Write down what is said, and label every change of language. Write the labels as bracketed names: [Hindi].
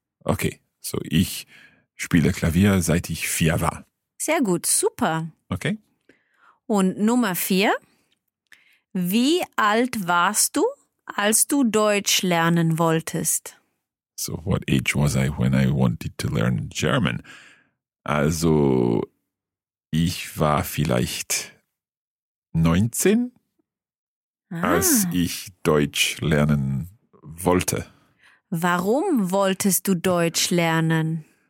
[German] Okay, so ich spiele Klavier seit ich 4 war. Sehr gut, super. Okay. Und Nummer 4. Wie alt warst du, als du Deutsch lernen wolltest? [English] So, what age was I when I wanted to learn German? [German] Also, ich war vielleicht 19, als ich Deutsch lernen wollte. Warum wolltest du Deutsch lernen?